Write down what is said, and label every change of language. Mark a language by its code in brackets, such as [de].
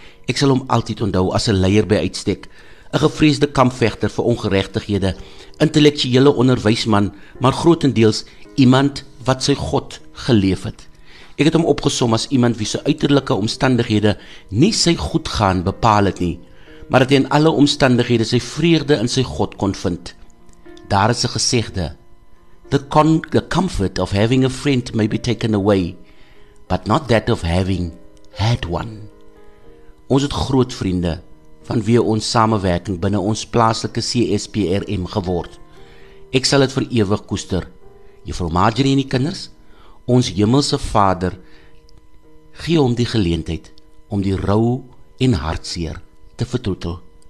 [af] Ek sal hom altyd onthou as 'n leier by uitstek, 'n gevreesde kampvegter vir ongeregtighede, intellektuele onderwysman, maar grotendeels iemand wat sy God geleef het. Ek het hom opgesom as iemand wie se uiterlike omstandighede nie sy goed gaan bepaal het nie, maar dat hy in alle omstandighede sy vreugde in sy God kon vind. Daar is 'n gesegde, [en] the comfort of having a friend may be taken away, but not that of having had one. [af] Ons het groot vriende vanweë ons samewerking binne ons plaaslike CSPRM geword. Ek sal dit vir ewig koester. Juffrou Marjorie en die kinders, ons hemelse Vader, gee hom die geleentheid om die rou en hartseer te vertroetel.